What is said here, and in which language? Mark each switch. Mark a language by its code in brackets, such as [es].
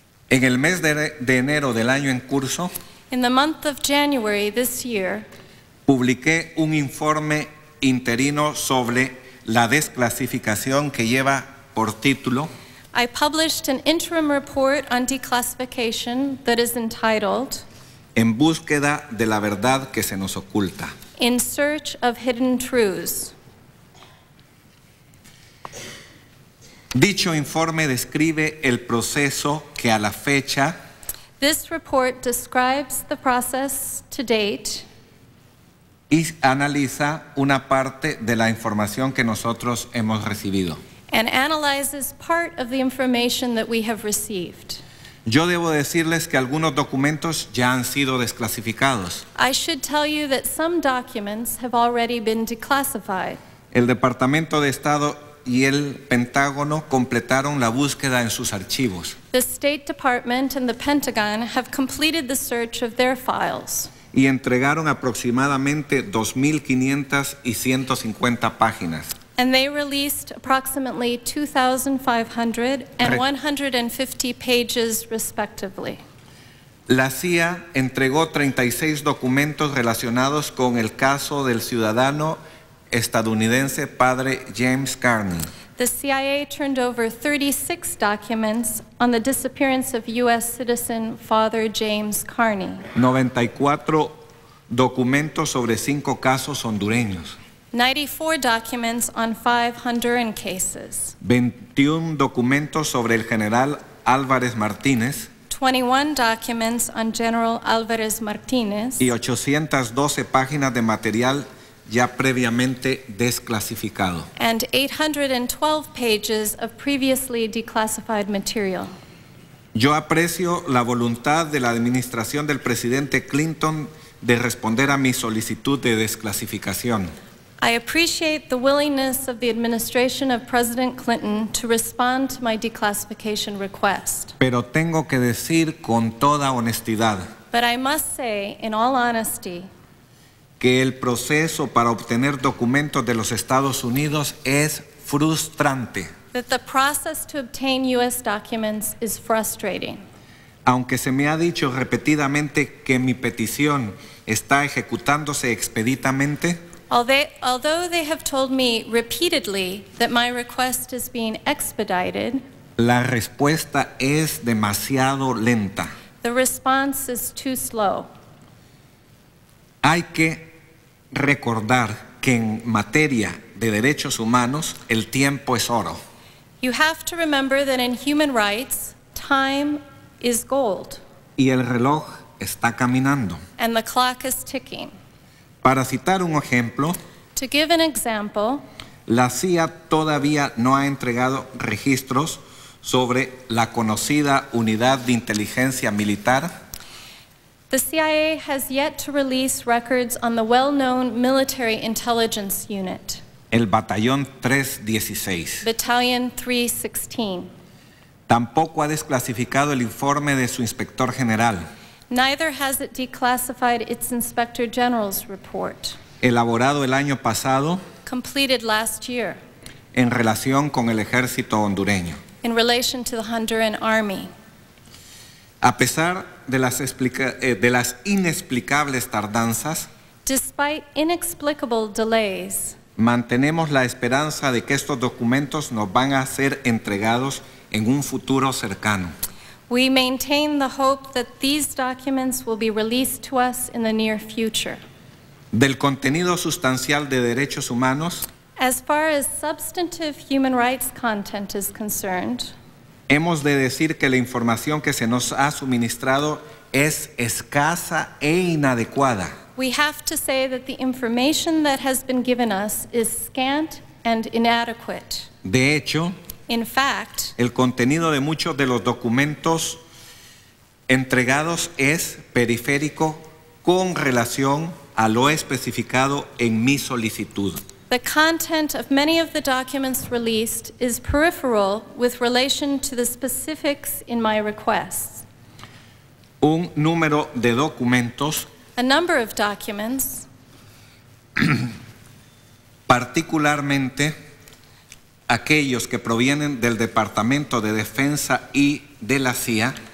[es] En el mes de enero del año en curso, [en] in the month of January this year, [es] publiqué un informe interino sobre la desclasificación que lleva por título. [en] I published an interim report on declassification that is entitled [es] En búsqueda de la verdad que se nos oculta. [en] In search of hidden truths. [es] Dicho informe describe el proceso que a la fecha [en] This report describes the process to date [es] y analiza una parte de la información que nosotros hemos recibido. [en] And analyzes part of the information that we have received. [es] Yo debo decirles que algunos documentos ya han sido desclasificados. [en] I should tell you that some documents have already been declassified. [es] El Departamento de Estado y el Pentágono completaron la búsqueda en sus archivos. [en] The State Department and the Pentagon have completed the search of their files. [es] Y entregaron aproximadamente 2,500 y 150 páginas. [en] And they released approximately 2,500 and 150 pages, respectively. [es] La CIA entregó 36 documentos relacionados con el caso del ciudadano estadounidense padre James Carney. [en] The CIA turned over 36 documents on the disappearance of U.S. citizen father James Carney. [es] 94 documentos sobre 5 casos hondureños. [en] 94 documents on 5 Honduran cases. [es] 21 documentos sobre el general Álvarez Martínez. [en] 21 documents on General Álvarez Martínez. [es] Y 812 páginas de material ya previamente desclasificado. [en] And 812 pages of previously declassified material. [es] Yo aprecio la voluntad de la administración del presidente Clinton de responder a mi solicitud de desclasificación. [en] I appreciate the willingness of the administration of President Clinton to respond to my declassification request. [es] Pero tengo que decir con toda honestidad. [en] But I must say, in all honesty, [es] que el proceso para obtener documentos de los Estados Unidos es frustrante. [en] That the process to obtain U.S. documents is frustrating. [es] Aunque se me ha dicho repetidamente que mi petición está ejecutándose expeditamente, [en] Although they have told me repeatedly that my request is being expedited, [es] la respuesta es demasiado lenta. [en] The response is too slow. [es] Hay que recordar que en materia de derechos humanos, el tiempo es oro. [en] You have to remember that in human rights, time is gold. [es] Y el reloj está caminando. [en] And the clock is ticking. [es] Para citar un ejemplo, [en] to give an example, [es] la CIA todavía no ha entregado registros sobre la conocida unidad de inteligencia militar. [en] The CIA has yet to release records on the well-known military intelligence unit. [es] El batallón 316. [en] Battalion 316. [es] Tampoco ha desclasificado el informe de su inspector general. [en] Neither has it declassified its Inspector General's report. [es] Elaborado el año pasado. [en] Completed last year. [es] En relación con el ejército hondureño. [en] In relation to the Honduran Army. [es] A pesar de las inexplicables tardanzas. [en] Despite inexplicable delays. [es] Mantenemos la esperanza de que estos documentos nos van a ser entregados en un futuro cercano. [en] We maintain the hope that these documents will be released to us in the near future. [es] Del contenido sustancial de derechos humanos, [en] as far as substantive human rights content is concerned, [es] hemos de decir que la información que se nos ha suministrado es escasa e inadecuada. [en] We have to say that the information that has been given us is scant and inadequate. [es] De hecho, [en] in fact, [es] el contenido de muchos de los documentos entregados es periférico con relación a lo especificado en mi solicitud. [en] The content of many of the documents released is peripheral with relation to the specifics in my requests. [es] Un número de documentos. [en] A number of documents. [es] Particularmente aquellos que provienen del Departamento de Defensa y de la CIA.